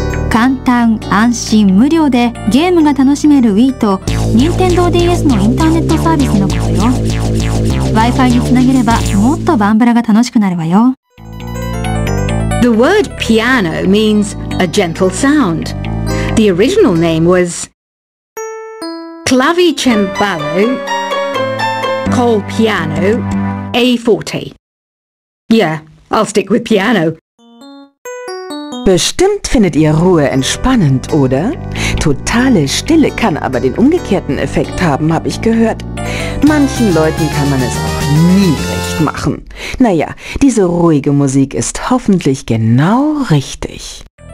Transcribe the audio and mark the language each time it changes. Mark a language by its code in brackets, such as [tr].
[ja] 簡単、安心、無料でゲームが楽しめる Wii と Nintendo DS のインターネットサービスのことよ。 Wi-Fi につなげればもっとバンブラが楽しくなるわよ。 [en] The word piano means a gentle sound. The original name was Clavicembalo col piano a forte. Yeah, I'll stick with piano. [de] Bestimmt findet ihr Ruhe entspannend, oder? Totale Stille kann aber den umgekehrten Effekt haben, habe ich gehört. Manchen Leuten kann man es auch nie recht machen. Naja, diese ruhige Musik ist hoffentlich genau richtig.